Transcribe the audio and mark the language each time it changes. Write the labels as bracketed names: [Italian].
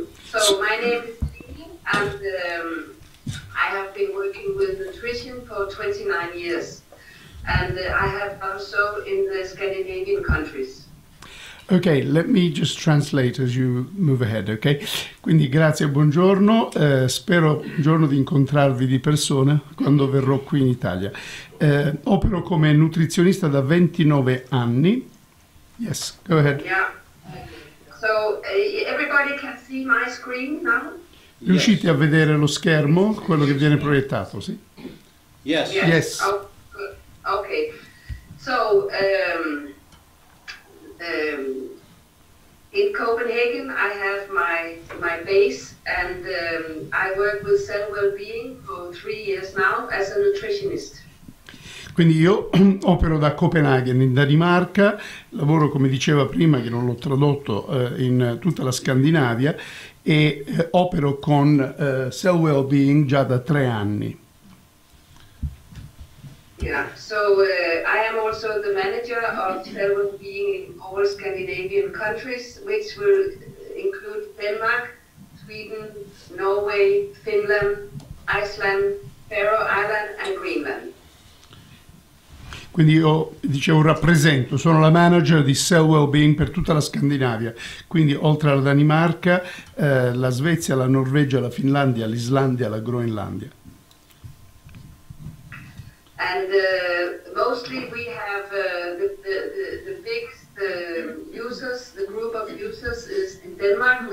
[English] So my name is Lee, and I have been working with nutrition for 29 years. And I have also in the Scandinavian countries. Okay, let me just translate as you move ahead, okay? [Italian] Quindi grazie, buongiorno, spero un giorno di incontrarvi di persona quando verrò qui in Italia. Opero come nutrizionista da 29 anni. [English] Yes, go ahead. Yeah. So, everybody can see my screen now? [Italian] Riuscite a vedere lo schermo, quello che viene proiettato, sì? [English] Yes. Yes. Oh, okay. So, in Copenhagen, I have my base, and I work with Cell Wellbeing for 3 years now as a nutritionist. [Italian] Quindi io opero da Copenaghen in Danimarca, lavoro, come diceva prima, che non l'ho tradotto, in tutta la Scandinavia, e opero con Cell Wellbeing già da 3 anni. [English] Yeah, so I am also the manager of Cell Being in all Scandinavian countries, which will include Denmark, Sweden, Norway, Finland, Iceland, Faroe Island and Greenland. [Italian] Quindi io, dicevo, rappresento, sono la manager di Cell Wellbeing per tutta la Scandinavia, quindi oltre alla Danimarca, la Svezia, la Norvegia, la Finlandia, l'Islandia, la Groenlandia. [English] And mostly we have the big users, the group of users is in Denmark.